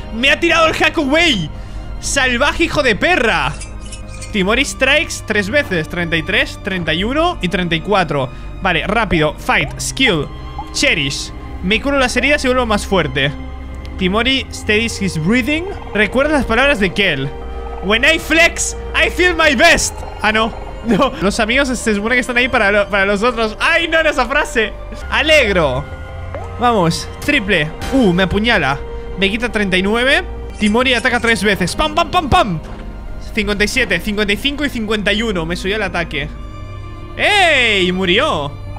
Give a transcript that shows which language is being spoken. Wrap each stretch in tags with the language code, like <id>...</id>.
<es>¡Me ha tirado el hack away! ¡Salvaje hijo de perra! Timori strikes 3 veces. 33, 31 y 34. Vale, rápido,</es> <en>fight, skill, cherish.</en> <es>Me curo las heridas y vuelvo más fuerte.</es> <en>Timori steadies his breathing.</en> <es>Recuerda las palabras de Kel.</es> <en>When I flex, I feel my best.</en> <es>Ah, no, no. Los amigos se supone que están ahí para los otros. Ay, no, era esa frase. Alegro. Vamos, triple. Me apuñala. Me quita 39. Timori ataca 3 veces. Pam, pam, pam, pam. 57, 55 y 51. Me subió el ataque. ¡Ey! Murió.</es>